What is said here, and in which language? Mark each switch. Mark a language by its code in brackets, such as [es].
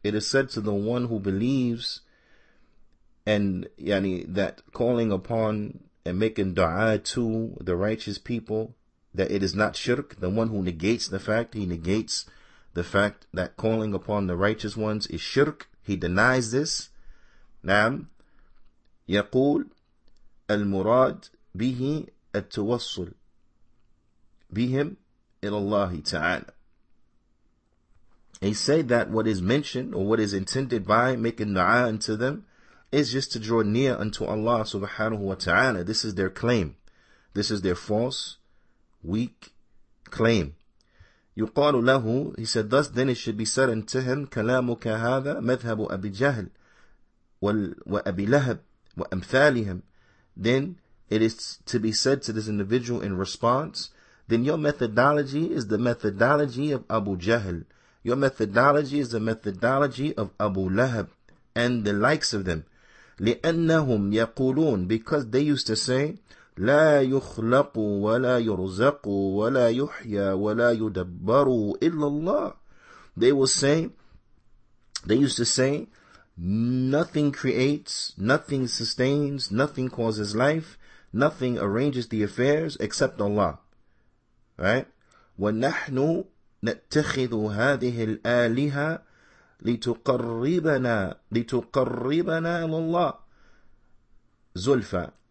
[en] It is said to the one who believes, and yani that calling upon and making dua to the righteous people, that it is not shirk. The one who negates the fact, he negates the fact that calling upon the righteous ones is shirk. He denies this. نعم. [ar] يقول المراد به التوصل بهم إلى الله تعالى. [en] He said that what is mentioned or what is intended by making du'a unto them is just to draw near unto Allah subhanahu wa ta'ala. This is their claim. This is their false, weak claim. [ar] يقال له, [en] he said, thus then it should be said unto him, [ar] كلامك هذا مذهب أبي جهل وأبي لهب وأمثالهم. [en] Then it is to be said to this individual in response, then your methodology is the methodology of Abu Jahl. Your methodology is the methodology of Abu Lahab and the likes of them. [ar] لأنهم يقولون, [en] because they used to say, [ar] لا يخلق ولا يرزق ولا يحيى ولا يدبر إلا الله. [en] They will say, they used to say, nothing creates, nothing sustains, nothing causes life, nothing arranges the affairs except Allah. [ar] Right? وَنَحْنُ نَتَّخِذُ هَذِهِ الْآلِهَا لِتُقَرِّبَنَا لَاللَّهِ زُلْفَ.